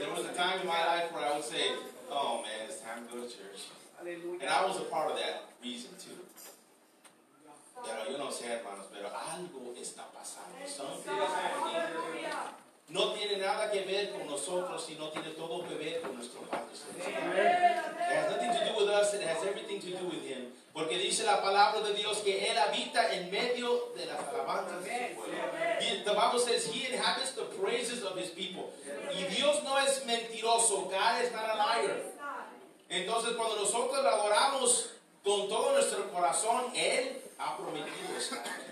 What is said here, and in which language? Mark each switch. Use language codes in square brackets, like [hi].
[en] There was a time in my life where I would say, oh, man, it's time to go to church. And I was a part of that reason, too. [es] Pero yo no sé, hermanos, pero algo está pasando. [en] Something is happening. [es] No tiene nada que ver con nosotros, sino tiene todo que ver con nuestro Padre. [en] It has nothing to do with us, it has everything to do with Him. [es] Porque dice la palabra de Dios que Él habita en medio de las alabanzas de su pueblo. [en] The Bible says He inhabits the praises of His people. [es] Y Dios no es mentiroso, [en] God is not a liar. [es] Entonces cuando nosotros lo adoramos con todo nuestro corazón, Él ha prometido estar.